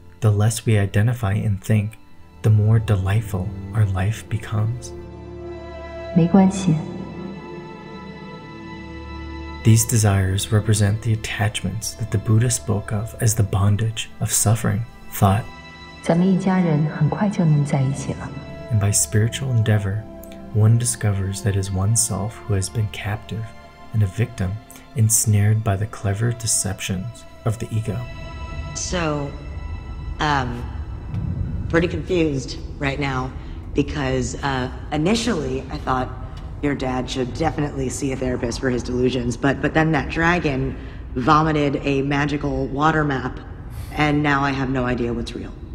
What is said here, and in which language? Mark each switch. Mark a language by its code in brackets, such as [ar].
[en] The less we identify and think, the more delightful our life becomes. [zh] 没关系. [en] These desires represent the attachments that the Buddha spoke of as the bondage of suffering, thought. [zh] 咱们一家人很快就能在一起了. [en] And by spiritual endeavor, one discovers that is oneself who has been captive and a victim ensnared by the clever deceptions of the ego. So, pretty confused right now because initially I thought your dad should definitely see a therapist for his delusions, but then that dragon vomited a magical water map and now I have no idea what's real.